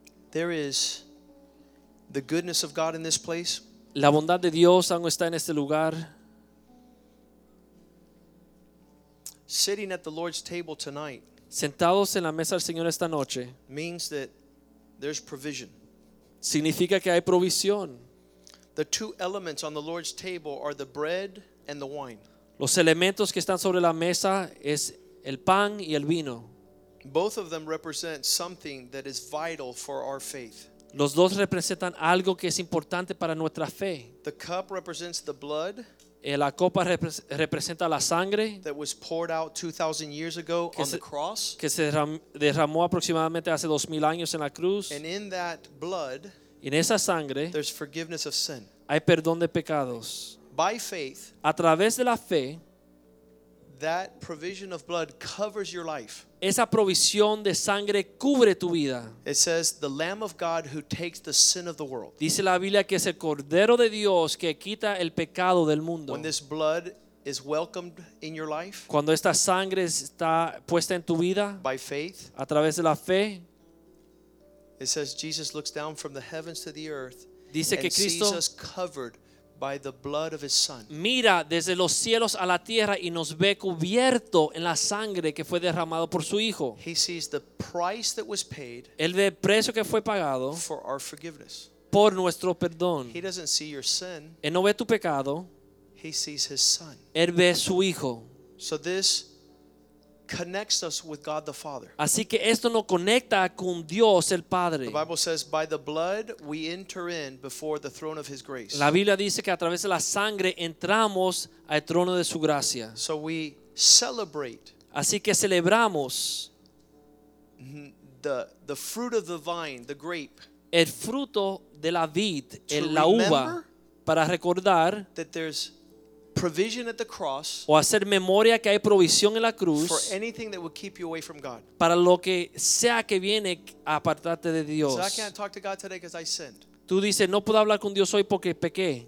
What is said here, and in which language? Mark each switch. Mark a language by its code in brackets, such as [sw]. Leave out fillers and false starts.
[en] There is the goodness of God in this place. [es] La bondad de Dios aún está en este lugar. [en] Sitting at the Lord's table tonight. [es] Sentados en la mesa del Señor esta noche. [en] Means that there's provision. [es] Significa que hay provisión. [en] The two elements on the Lord's table are the bread and the wine. [es] Los elementos que están sobre la mesa es el pan y el vino. [en] Both of them represent something that is vital for our faith. [es] Los dos representan algo que es importante para nuestra fe. [en] The cup represents the blood. [es] La copa representa la sangre. [en] That was poured out 2,000 years ago on the cross. [es] Que se derramó aproximadamente hace 2,000 años en la cruz. [en] And in that blood, [es] en esa sangre, [en] there's forgiveness of sin. [es] Hay perdón de pecados. [en] By faith, [es] a través de la fe, [en] that provision of blood covers your life. [es] Esa provisión de sangre cubre tu vida. [en] It says, the Lamb of God who takes the sin of the world. [es] Dice la Biblia que es el Cordero de Dios que quita el pecado del mundo. [en] When this blood is welcomed in your life, [es] cuando esta sangre está puesta en tu vida, [en] by faith, [es] a través de la fe, [en] it says Jesus looks down from the heavens to the earth. [es] Dice [en] and [es] que Cristo [en] sees us covered by the blood of his son. [es] Mira desde los cielos a la tierra y nos ve cubierto en la sangre que fue derramado por su hijo. [en] He sees the price that was paid. [es] Él ve el precio que fue pagado [en] for our forgiveness. [es] Por nuestro perdón. [en] He doesn't see your sin. [es] Él no ve tu pecado. [en] He sees his son. [es] Él ve su hijo. [en] So this connects us with God the Father. [es] Así que esto nos conecta con Dios el Padre. [en] The Bible says, "By the blood we enter in before the throne of His grace." [es] La Biblia dice que a través de la sangre entramos al trono de su gracia. [en] So we celebrate. [es] Así que celebramos [en] the fruit of the vine, the grape. [es] El fruto de la vid, la uva, para recordar [en] that there's provision at the cross, [es] o hacer memoria que hay provisión en la cruz, [en] for anything that will keep you away from God, [es] para lo que sea que viene a apartarte de Dios. [en] So I can't talk to God today because I sinned. [es] Tú dices, no puedo hablar con Dios hoy porque pequé.